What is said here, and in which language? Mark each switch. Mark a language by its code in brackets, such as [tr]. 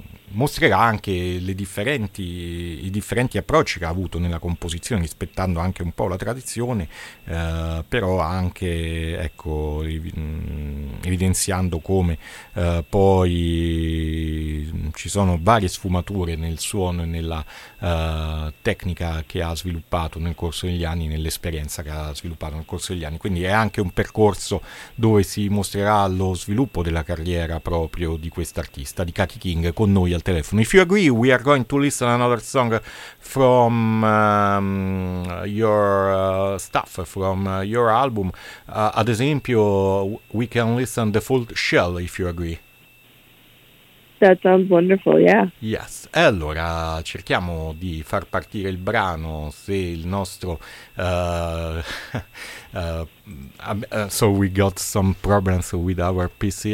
[it] mostrerà anche i differenti approcci che ha avuto nella composizione, rispettando anche un po' la tradizione, però anche, ecco, evidenziando come poi ci sono varie sfumature nel suono e nella tecnica che ha sviluppato nel corso degli anni, nell'esperienza che ha sviluppato nel corso degli anni. Quindi è anche un percorso dove si mostrerà lo sviluppo della carriera proprio di quest'artista, di Kaki King, con noi al telefono. [en] If you agree, we are going to listen another song from your stuff, from your album. [it] Ad esempio, [en] we can listen The Full Shell, if you agree. That sounds wonderful, yeah. Yes. [it] E allora, cerchiamo di far partire il brano, se il nostro... [en] so we got some problems with our PC.